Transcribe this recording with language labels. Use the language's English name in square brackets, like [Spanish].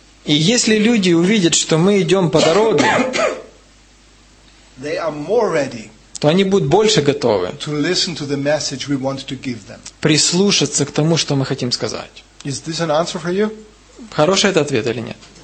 [Russian] и если люди увидят, что мы идем по дороге, [English] they are more ready [Russian] то они будут больше готовы [English] to listen to the message we want to give them. [Russian] Прислушаться к тому, что мы хотим сказать. [English] Is this an answer for you? [Russian] Хороший это ответ или нет?